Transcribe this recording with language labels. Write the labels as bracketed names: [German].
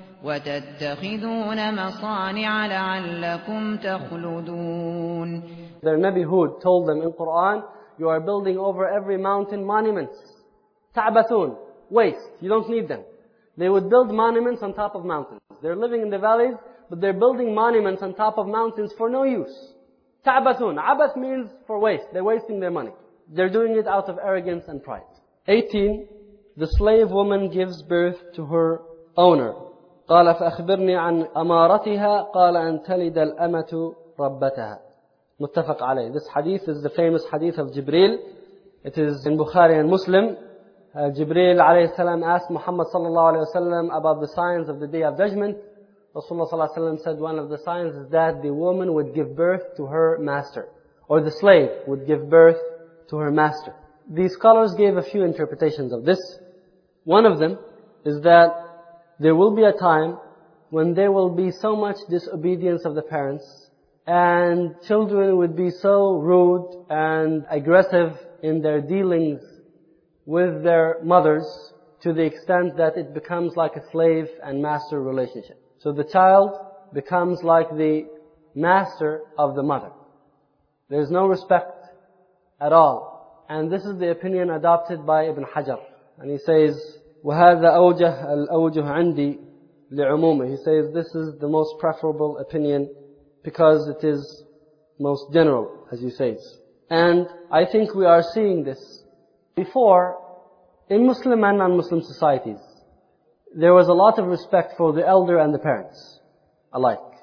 [Arabic] وتتخذون مصانع لعلكم تخلدون. [English] Their Nabi Hud told them in Quran, you are building over every mountain monuments. تعبثون, waste, you don't need them. They would build monuments on top of mountains. They're living in the valleys, but they're building monuments on top of mountains for no use. تعبثون, عبث means for waste. They're wasting their money. They're doing it out of arrogance and pride. 18, the slave woman gives birth to her owner. [Arabic] قال فأخبرني عن أمارتها قال أن تلد الأمة ربتها. متفق عليه. [English] This hadith is the famous hadith of Jibreel. It is in Bukhari and Muslim. Jibreel عليه السلام asked Muhammad صلى الله عليه وسلم about the signs of the Day of Judgment. Rasulullah صلى الله عليه وسلم said one of the signs is that the woman would give birth to her master, or the slave would give birth to her master. The scholars gave a few interpretations of this. One of them is that there will be a time when there will be so much disobedience of the parents and children would be so rude and aggressive in their dealings with their mothers to the extent that it becomes like a slave and master relationship. So the child becomes like the master of the mother. There's no respect at all. And this is the opinion adopted by Ibn Hajar. And he says, [Arabic] وَهَذَا أَوْجَهَ الْأَوْجُهُ عَنْدِي لِعُمُومِ. [English] He says, this is the most preferable opinion because it is most general, as he says. And I think we are seeing this. Before, in Muslim and non-Muslim societies, there was a lot of respect for the elder and the parents alike.